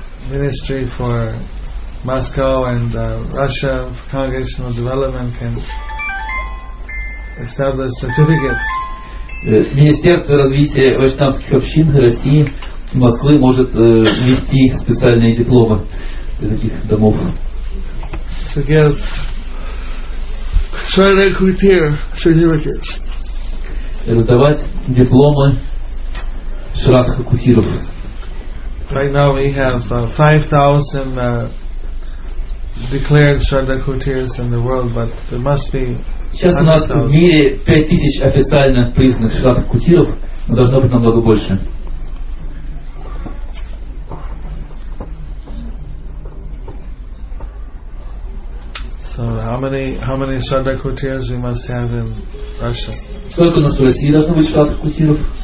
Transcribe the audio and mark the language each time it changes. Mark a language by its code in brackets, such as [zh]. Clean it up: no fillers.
[en] Ministry for Moscow and Russia Congregational Development can establish certificates. [ru] Министерство развития вайшнавских общин России Москвы может ввести специальные дипломы для таких домов. [en] To give Shraddha Kutir certificates. [ru] Раздавать дипломы Shraddha Kutirov. [en] Right now we have 5,000 declared Shraddha Kutirs in the world, but there must be. [ru] Сейчас у нас в мире 5,000 официально признанных Shraddha Kutirov, но должно быть намного больше. [en] So how many Shraddha Kutirs we must have in Russia? [ru] Сколько у нас в России должно быть Shraddha Kutirov?